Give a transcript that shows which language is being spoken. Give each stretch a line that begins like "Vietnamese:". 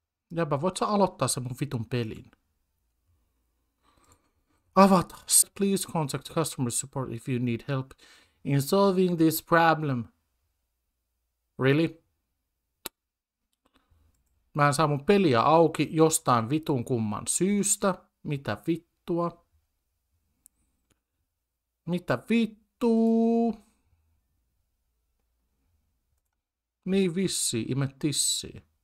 Finnish: Jääpä, voit sä aloittaa sen mun vitun pelin? Avata!
English: Please contact customer support if you need help in solving this problem. Really?
Finnish: Mä en saa mun peliä auki jostain vitun kumman syystä. Mitä vittua? Mitä vittuu? Niin vissi, ime tissii.